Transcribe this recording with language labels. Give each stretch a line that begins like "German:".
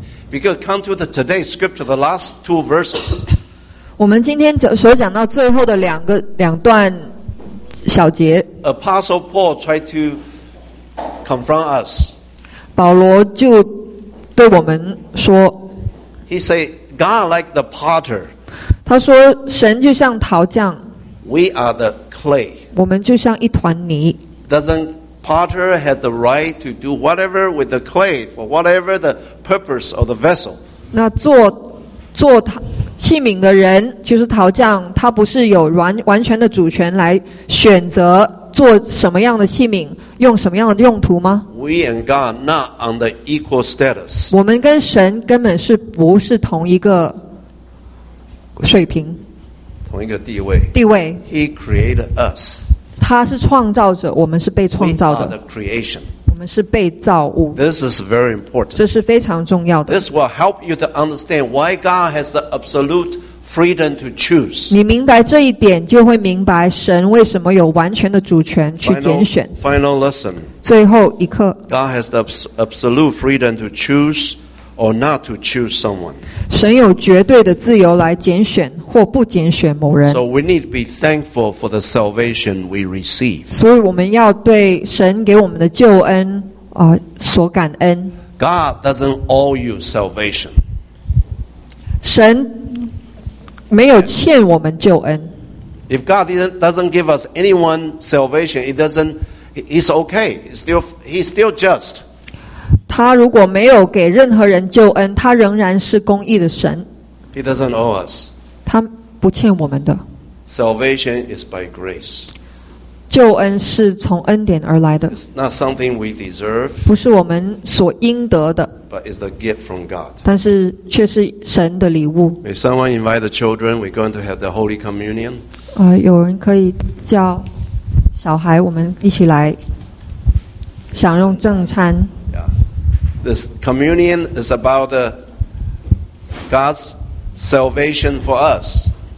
English: Because come to today's scripture, the last two verses.
Chinese: 我们今天所讲到最后的两段小节。
English: Apostle Paul tried to confront us.
Chinese: 保罗就对我们说。
English: He said, "God like the potter."
Chinese: 他说神就像陶匠。
English: We are the clay.
Chinese: 我们就像一团泥。
English: Doesn't potter has the right to do whatever with the clay for whatever the purpose of the vessel?
Chinese: 那做器皿的人就是陶匠，他不是有完全的主权来选择做什么样的器皿，用什么样的用途吗
English: ？We and God not on the equal status.
Chinese: 我们跟神根本是不是同一个水平？同一个地位。地位。
English: He created us.
Chinese: 他是创造者，我们是被创造的。
English: We are the creation.
Chinese: 我们是被造物。
English: This is very important.
Chinese: 这是非常重要的。
English: This will help you to understand why God has the absolute freedom to choose.
Chinese: 你明白这一点，就会明白神为什么有完全的主权去拣选。
English: Final lesson.
Chinese: 最后一课。
English: God has the absolute freedom to choose or not to choose someone.
Chinese: 神有绝对的自由来拣选或不拣选某人。
English: So we need to be thankful for the salvation we receive.
Chinese: 所以我们要对神给我们的救恩所感恩。
English: God doesn't owe you salvation.
Chinese: 神没有欠我们救恩。
English: If God doesn't give us anyone salvation, it doesn't. It's okay. He's still just.
Chinese: 他如果没有给任何人救恩，他仍然是公义的神。
English: He doesn't owe us.
Chinese: 他不欠我们的。
English: Salvation is by grace.
Chinese: 救恩是从恩典而来的。
English: It's not something we deserve.
Chinese: 不是我们所应得的。
English: But it's a gift from God.
Chinese: 但是却是神的礼物。
English: May someone invite the children. We're going to have the Holy Communion.
Chinese: 有人可以叫小孩，我们一起来享用正餐。
English: Yeah. This communion is about God's salvation for us.